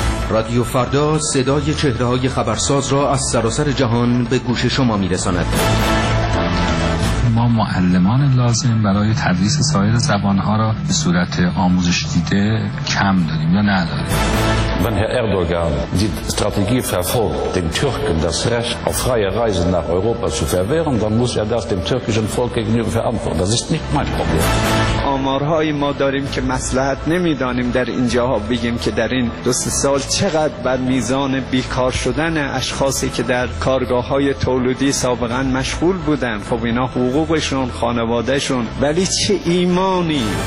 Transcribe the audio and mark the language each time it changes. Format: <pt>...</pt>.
<fa>رادیو فردا صدای چهره‌های خبرساز را از سراسر جهان به گوش شما می‌رساند. ما معلمان لازم برای تدریس سایر زبان‌ها را به صورت آموزش دیده کم داریم یا نداریم؟</fa> <de>Wenn Herr Erdogan die Strategie verfolgt, den Türken das Recht auf freie Reisen nach Europa zu verwehren, dann muss er das dem türkischen Volk gegenüber verantworten. Das ist nicht mein Problem.</de> <fa>آمارهای ما داریم که مصلحت نمیدانیم در اینجا بگیم که در این دو سه سال چقدر بر میزان بیکار شدن اشخاصی که در کارگاه‌های تولیدی سابقا مشغول بودن، خب اینا حقوقشون، خانواده‌شون، ولی چه ایمانی.</fa>